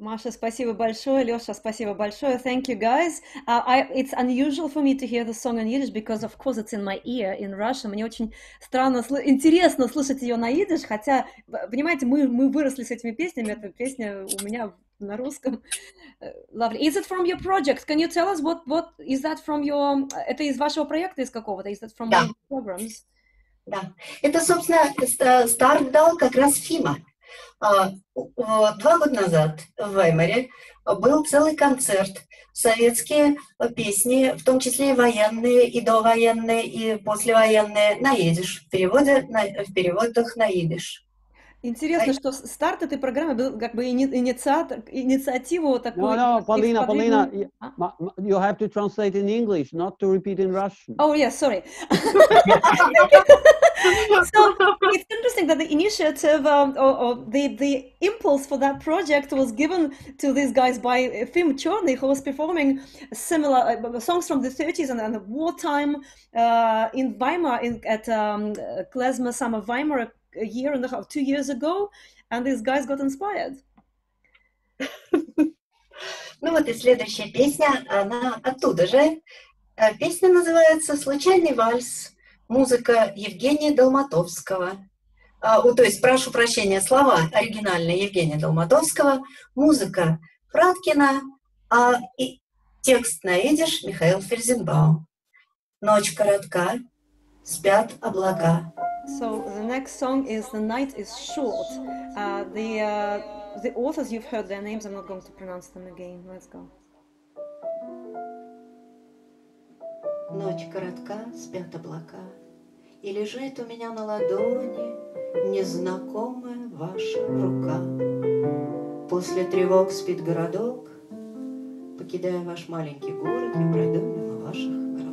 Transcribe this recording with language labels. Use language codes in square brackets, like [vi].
[ru] Спасибо большое, Лёша, спасибо большое. [en] Thank you, guys. It's unusual for me to hear the song in Yiddish because, of course, it's in my ear in Russian. [ru] Мне очень странно, интересно слушать её на Yiddish, хотя, понимаете, мы выросли с этими песнями, эта песня у меня на русском. [en] Lovely. Is it from your project? Can you tell us what is that from your... [ru] Это из вашего проекта, из какого-то? [en] Is that from one of your programs? [ru] Да. Это, собственно, старт дал как раз Фима. Два года назад в Веймаре был целый концерт. Советские песни, в том числе и военные, и довоенные, и послевоенные, на Yiddish, в переводах на Yiddish. Интересно, что старт этой программы был как бы инициативу такой. [en] No, Полина, you have to translate in English, not to repeat in Russian. Oh, yes, yeah, sorry. So it's interesting that the initiative or the impulse for that project was given to these guys by Fim Chorny, who was performing similar songs from the 30s and the wartime in Weimar at Klezmer Summer Weimar a year and a half, 2 years ago, and these guys got inspired. [ru] Ну вот и следующая песня, она оттуда же. Песня называется «Случайный вальс». музыка Евгения Долматовского. То есть, прошу прощения, слова оригинальные Евгения Долматовского, музыка Фраткина, и текст на идиш Михаил Ферзенбаум. Ночь коротка, спят облака. [en] So the next song is "The Night Is Short". The authors, you've heard their names. I'm not going to pronounce them again. Let's go. [ru] Ночь коротка, спят облака, и лежит у меня на ладони незнакомая ваша рука. После тревог спит городок, покидая ваш маленький город, я пройду мимо ваших.